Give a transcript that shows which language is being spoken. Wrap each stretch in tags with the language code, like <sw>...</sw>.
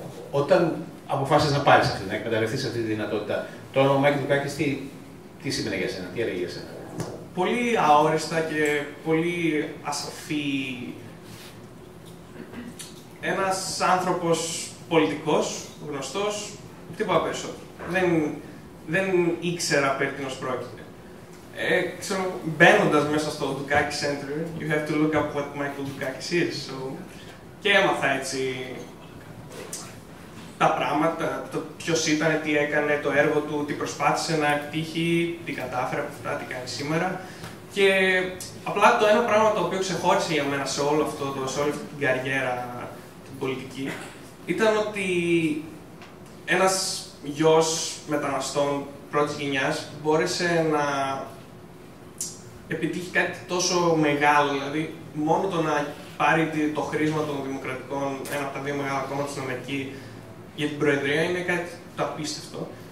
<el>Όταν αποφάσισες να πάρεις αυτή, να εκμεταλλευτείς αυτή τη δυνατότητα, το όνομα Μάικλ Δουκάκης τι σημαίνει για σένα, τι έλεγε για σένα? Πολύ αόριστα και πολύ ασαφή. Ένας άνθρωπος πολιτικός, γνωστός, τίποτα περισσότερο. Δεν ήξερα περί τίνος πρόκειται. Ξέρω, μπαίνοντας μέσα στο</el> <en>Dukakis Center, you have to look up what Michael Dukakis is, so...</en> <el>και έμαθα έτσι τα πράγματα, το ποιος ήταν, τι έκανε, το έργο του, τι προσπάθησε να επιτύχει, τι κατάφερε από αυτά, τι κάνει σήμερα. Και απλά το ένα πράγμα το οποίο ξεχώρισε για μένα σε όλο αυτό, σε όλη αυτή την καριέρα την πολιτική, ήταν ότι ένας γιος μεταναστών πρώτης γενιάς μπόρεσε να επιτύχει κάτι τόσο μεγάλο, δηλαδή μόνο το να πάρει το χρήσμα των δημοκρατικών, ένα από τα δύο μεγάλα κόμματα στην Αμερική για την Προεδρία, είναι κάτι το απίστευτο.</el>